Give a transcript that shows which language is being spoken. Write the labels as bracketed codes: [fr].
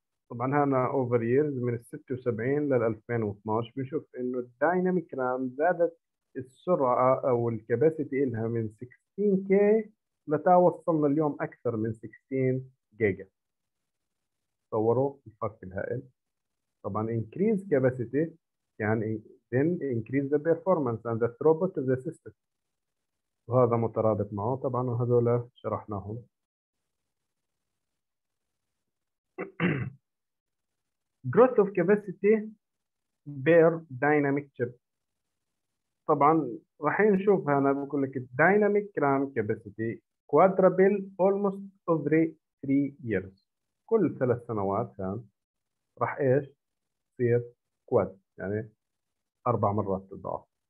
[ar] طبعا هنا [en] over years [ar] من ال 76 لل 2012، بنشوف انه الدايناميك رام زادت السرعه او الكاباسيتي لها من 16 كي لتا وصلنا اليوم اكثر من 16 جيجا. تصوروا الفرق الهائل. طبعا [en] increase capacity [ar] يعني [en] then increase the performance and the throughput of the system. [ar] وهذا مترابط معه طبعا، وهذول شرحناهم. [en] growth of capacity per dynamic chip. [ar] طبعا راح نشوف هنا بقول لك [en] dynamic RAM capacity quadruple almost every 3 years، [ar] كل 3 سنوات كان راح ايش يصير كواد، يعني 4 مرات الضعف.